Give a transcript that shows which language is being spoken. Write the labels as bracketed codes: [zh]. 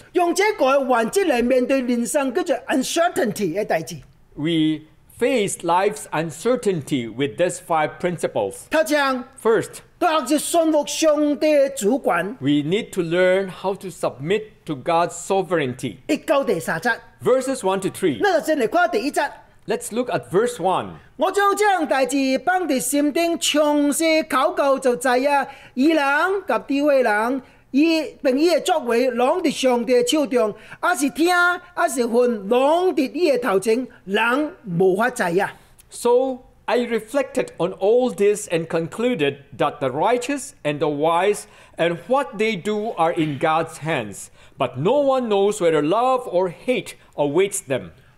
[nan] 用这个环境来面对人生叫做 uncertainty 的代志。 [en] We face life's uncertainty with these five principles. [nan] 头先, [en] first,We need to learn how to submit to God's sovereignty. Verses 1 to 3. Let's look at verse 1. [nan] 我将这样代志放在心顶，详细考究就知呀。义人及智慧人，伊并伊的作为，拢在上帝的手中。啊是听，啊是分，拢在伊的头前，人无法知呀。 [en] So. I reflected on all this and concluded that the righteous and the wise and what they do are in God's hands. But no one knows whether love or hate awaits them.